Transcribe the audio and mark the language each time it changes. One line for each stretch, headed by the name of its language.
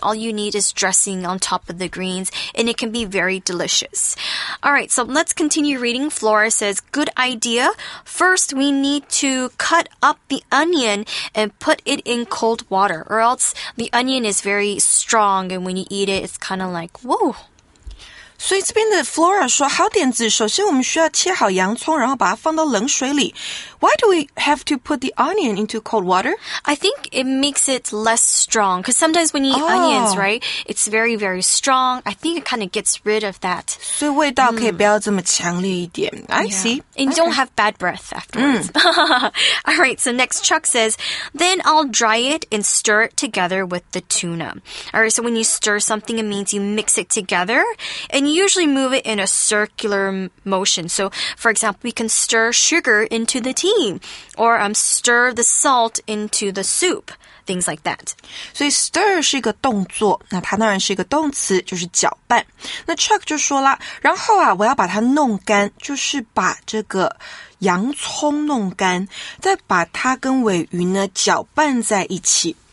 English: All you need is dressing on top of the greens and it can be very delicious. All right. So let's continue reading. Flora says, good idea. First, we need to cut up the onion and put it in cold water or else the onion is very strong and when you eat it, it's kind of like, whoa.
Chinese: 所以这边的 Flora 说好点子，首先我们需要切好洋葱，然后把它放到冷水里。
English: Why do we have to put the onion into cold water? I think it makes it less strong, because sometimes when you eat onions, right, it's very, very strong. I think it kind of gets rid of that.
Chinese: 所以味道可以不要这么强烈一点。
English: I see. And you don't have bad breath afterwards. All right, so next Chuck says, then I'll dry it and stir it together with the tuna. All right, so when you stir something, it means you mix it together, and you usually move it in a circular motion. So, for example, we can stir sugar into the tea, or stir the salt into the soup, things like that.
Chinese: 所以 stir 是一个动作，那它当然是一个动词，就是搅拌。那 Chuck 就说了，然后啊，我要把它弄干，就是把这个洋葱弄干，再把它跟鲔鱼呢搅拌在一起。